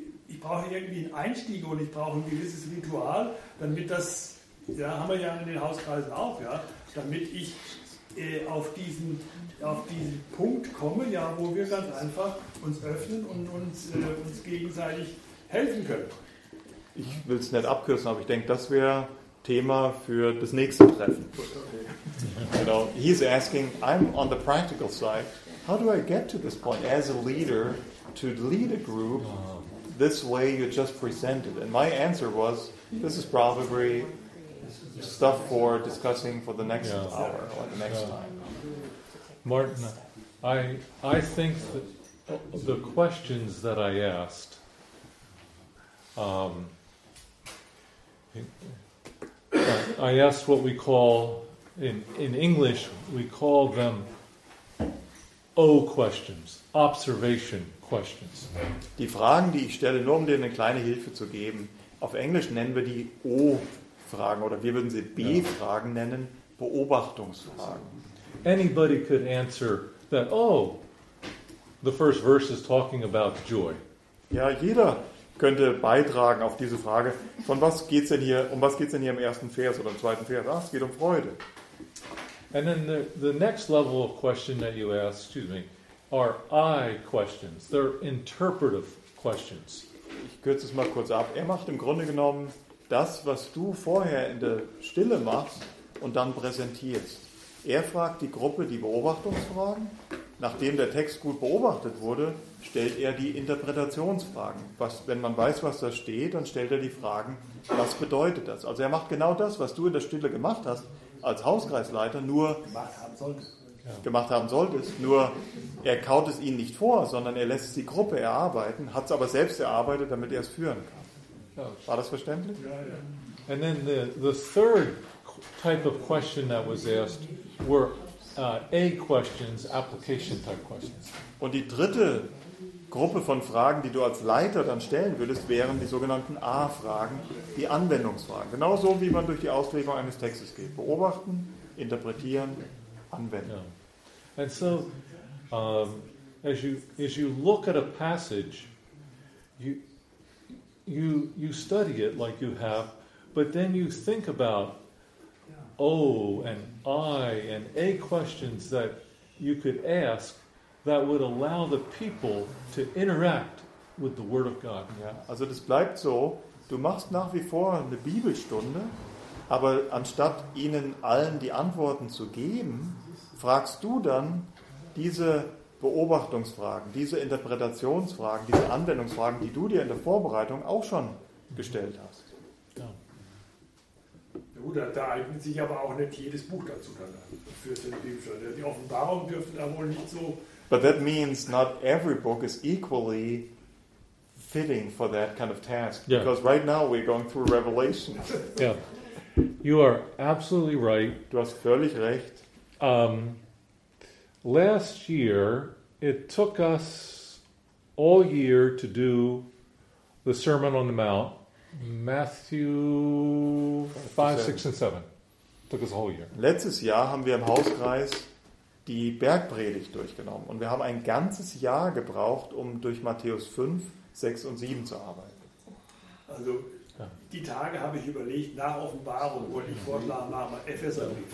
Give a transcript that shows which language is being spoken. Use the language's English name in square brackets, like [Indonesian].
[German] ich brauche irgendwie einen Einstieg und ich brauche ein gewisses Ritual, damit das, ja, haben wir ja in den Hauskreisen auch, ja, damit ich auf diesen Punkt komme, ja, wo wir ganz einfach uns öffnen und uns gegenseitig helfen können. Ich will es nicht abkürzen, aber ich denke, das wäre Thema für das nächste Treffen. [English] You know, he's asking, I'm on the practical side, how do I get to this point as a leader to lead a group this way you just presented? And my answer was, this is probably stuff for discussing for the next hour or the next time. Martin, I think that the questions that I asked, I asked what we call, in English, we call them O questions, observation questions. [German] Die Fragen, die ich stelle, nur um dir eine kleine Hilfe zu geben, auf Englisch nennen wir die O-Fragen oder wir würden sie B-Fragen nennen, Beobachtungsfragen. [English] Anybody could answer that, oh, the first verse is talking about joy. [German] Ja, jeder könnte beitragen auf diese Frage, von was geht es denn hier, um was geht es denn hier im ersten Vers oder im zweiten Vers? Ach, es geht um Freude. [English] And then the next level of question that you ask, excuse me, are I questions. They're interpretive questions. [German] Ich kürze es mal kurz ab. Er macht im Grunde genommen das, was du vorher in der Stille machst und dann präsentierst. Er fragt die Gruppe die Beobachtungsfragen. Nachdem der Text gut beobachtet wurde, stellt er die Interpretationsfragen. Wenn man weiß, was da steht, dann stellt er die Fragen, was bedeutet das? Also er macht genau das, was du in der Stille gemacht hast, als Hauskreisleiter nur gemacht haben solltest. Nur er kaut es ihnen nicht vor, sondern er lässt die Gruppe erarbeiten, hat es aber selbst erarbeitet, damit er es führen kann. War das verständlich? Ja. [English] And then the third type of question that was asked were A questions, application type questions. [German] Und die dritte Gruppe von Fragen, die du als Leiter dann stellen würdest, wären die sogenannten A-Fragen, die Anwendungsfragen. Genauso wie man durch die Auslegung eines Textes geht. Beobachten, interpretieren, anwenden. [English] Yeah. And so, as you look at a passage, you study it like you have, but then you think about O and I and A questions that you could ask that would allow the people to interact with the Word of God. [German] Ja, also das bleibt so, du machst nach wie vor eine Bibelstunde, aber anstatt ihnen allen die Antworten zu geben, fragst du dann diese Beobachtungsfragen, diese Interpretationsfragen, diese Anwendungsfragen, die du dir in der Vorbereitung auch schon gestellt hast. Ja. Oder da eignet sich aber auch nicht jedes Buch dazu dann für den Bibelstunde. Die Offenbarung dürfte da wohl nicht so. [English] But that means not every book is equally fitting for that kind of task. Yeah. Because right now we're going through Revelation. Yeah. You are absolutely right. [German] Du hast völlig recht. [English] Last year, it took us all year to do the Sermon on the Mount. Matthew 5, 6 and 7. Took us a whole year. [German] Letztes Jahr haben wir im Hauskreis die Bergpredigt durchgenommen. Und wir haben ein ganzes Jahr gebraucht, um durch Matthäus 5, 6 und 7 zu arbeiten. Also, die Tage habe ich überlegt, nach Offenbarung wollte ich vorschlagen, machen wir Epheser.